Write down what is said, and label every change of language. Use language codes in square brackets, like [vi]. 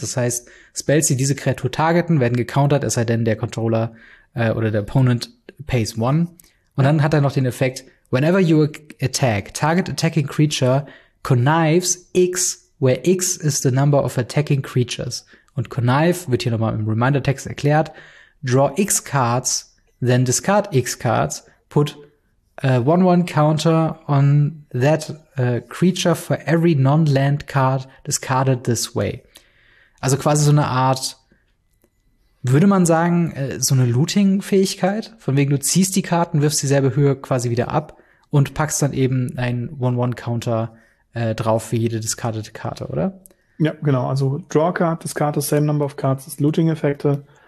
[de] Das heißt, Spells, die diese Kreatur targeten, werden gecountert, es sei denn, der Controller oder der Opponent [en] pays 1. [de] Und dann hat er noch den Effekt, [en] whenever you attack, target attacking creature connives X, where X is the number of attacking creatures. [de] Und connive wird hier nochmal im Reminder-Text erklärt. [en] Draw X cards, then discard X cards, put 1-1 counter on that creature for every non-land card discarded this way. [de] Also quasi so eine Art, würde man sagen, so eine Looting-Fähigkeit, von wegen du ziehst die Karten, wirfst dieselbe Höhe quasi wieder ab und packst dann eben ein 1-1-Counter drauf für jede discardete Karte, oder? Ja, genau. Also [en] Draw Card, Discard the same number of cards, [de] ist Looting-Effekte.